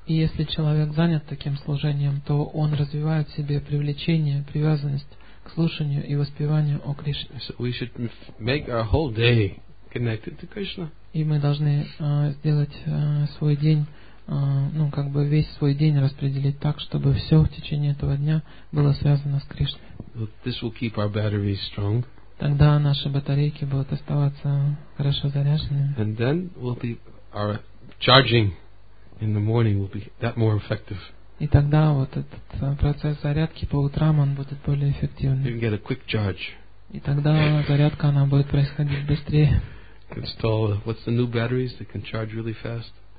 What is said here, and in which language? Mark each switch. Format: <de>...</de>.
<ru>И если человек занят таким служением, то он развивает в себе привлечение, привязанность к слушанию и воспеванию о Кришне.</ru> <en>So we should make our whole day connected to Krishna.</en> <ru>И мы должны сделать свой день, ну, как бы весь свой день распределить так, чтобы все в течение этого дня было связано с Кришной.</ru> <en>This will keep our batteries strong.</en> <ru>Тогда наши батарейки будут оставаться хорошо заряженными.</ru> <en>And then we'll be our charging in the morning will be that more effective.</en> <ru>И тогда вот этот процесс зарядки по утрам он будет более эффективным.</ru> <en>You can get a quick charge.</en> <ru>И тогда зарядка она будет происходить быстрее.</ru> <en>Install what's the new batteries that can charge really fast?</en>